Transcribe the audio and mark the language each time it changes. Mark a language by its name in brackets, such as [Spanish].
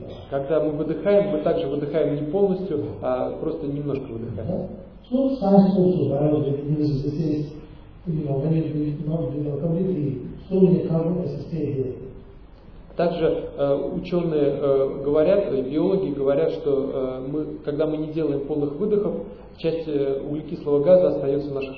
[Russian] Когда мы выдыхаем, мы также выдыхаем не полностью, а просто немножко выдыхаем. [English] So science also, biology, says, when you breathe, not breathe completely, slowly carbon has to stay here. [Russian] Также ученые говорят, биологи говорят, что мы, когда мы не делаем полных выдохов, часть углекислого газа остается в наших